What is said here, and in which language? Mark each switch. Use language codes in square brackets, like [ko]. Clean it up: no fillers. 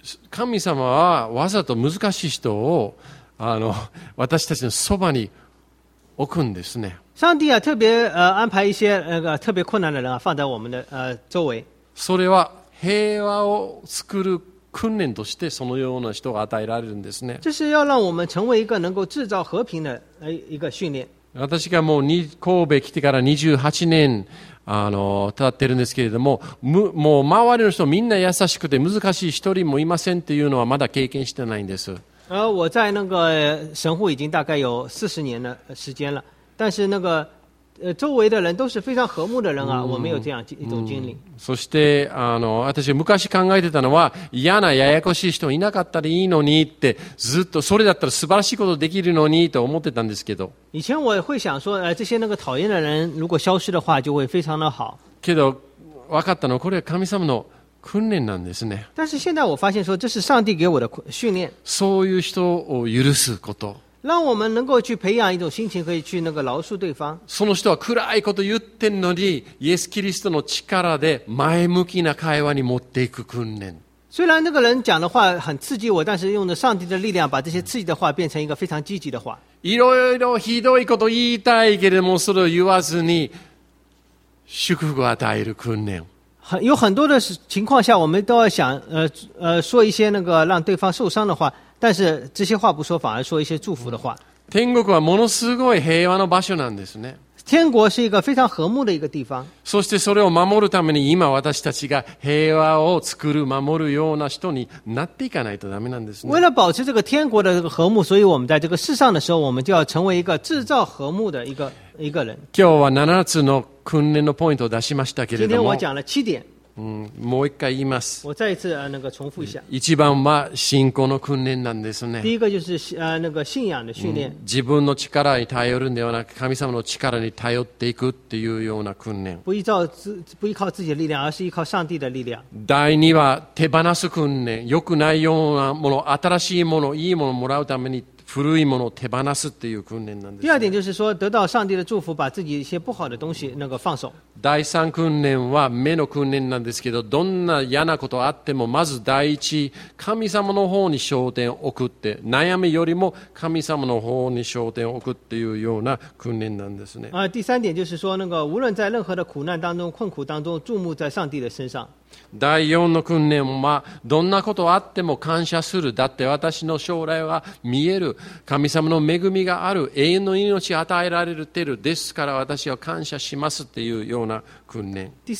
[ja] 神様はわざと難しい人を私たちのそばに置くんですね。 [zh] 上帝啊，特别安排一些那个特别困难的人啊，放在我们的周围。 [ja] それは平和を作る訓練としてそのような人が与えられるんですね。 [zh] 这是要让我们成为一个能够制造和平的一个训练。 [ja] 私がもう神戸来てから28年立ってるんですけれども、もう周りの人みんな優しくて難しい一人もいませんっていうのはまだ経験してないんです。 [zh] 我在那个神户已经大概有40年的时间了。但是那个周围的人都是非常和睦的人啊，我没有这样一种经历。 [ja] そしてあの私昔考えてたのは嫌なややこしい人いなかったらいいのにってずっとそれだったら素晴らしいことできるのにと思ってたんですけど。 [zh] 以前我会想说，这些那个讨厌的人如果消失的话，就会非常的好。 [ja] けど分かったのこれは神様の訓練なんですね。 [zh] 但是现在我发现说，这是上帝给我的训练。 [ja] そういう人を許すこと。 [zh] 让我们能够去培养一种心情，可以去那个饶恕对方。 [ja] その人は暗いこと言ってんのに、イエス・キリストの力で前向きな会話に持っていく訓練。 [zh] 虽然那个人讲的话很刺激我，但是用着上帝的力量，把这些刺激的话变成一个非常积极的话。 [ja] いろいろひどいこと言いたいけれども、それを言わずに祝福を与える訓練。 [zh] 有很多的情况下，我们都要想，说一些那个让对方受伤的话。但是这些话不说，反而说一些祝福的话。 [ja] 天国はものすごい平和の場所なんですね。 [zh] 天国是一个非常和睦的一个地方。 [ja] そしてそれを守るために今私たちが平和を作る守るような人になっていかないとダメなんですね。 [zh] 为了保持这个天国的这个和睦，所以我们在这个世上的时候，我们就要成为一个制造和睦的一个人。 [ja] 今日は七つの訓練のポイントを出しましたけれども。 [zh] 今天我讲了七点。 [ja] もう一回言います。 [zh] 我再一次那个重复一下。 [ja] 一番は信仰の訓練なんですね。 [zh] 第一个就是那个信仰的训练。 [ja] 自分の力に頼るんではなく神様の力に頼っていくっていうような訓練。 [zh] 不依靠自己的力量，而是依靠上帝的力量。 [ja] 第二は手放す訓練。良くないようなもの、新しいもの、いいものをもらうために古いものを手放すっていう訓練なんです、 [zh] ね。第二点就是说，得到上帝的祝福，把自己一些不好的东西那个放手。 [ja] 第三訓練は目の訓練なんですけど、どんな嫌なことあってもまず第一神様の方に焦点を置くって、悩みよりも神様の方に焦点を置くっていうような訓練なんですね。 [zh] 第三点就是说，那个无论在任何的苦难当中、困苦当中，注目在上帝的身上。 [ja] 第4の訓練はどんなことあっても感謝する。だって私の将来は見える。神様の恵みがある。永遠の命を与えられてる。ですから私は感謝しますっていうような訓練。